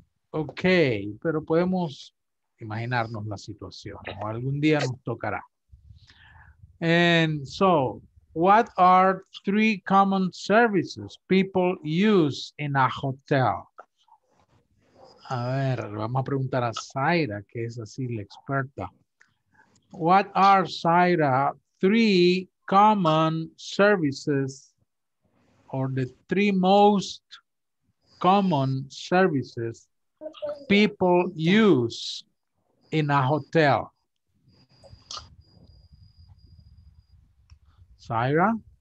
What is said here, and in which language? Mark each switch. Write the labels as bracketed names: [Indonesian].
[Spanish] Ok, pero podemos imaginarnos la situación. O algún día nos tocará. [English] And so, what are three common services people use in a hotel? [Spanish] A ver, vamos a preguntar a Zaira, que es así la experta. [English] What are, Zaira, three common services, or the three most common services people use in a hotel? Syrah?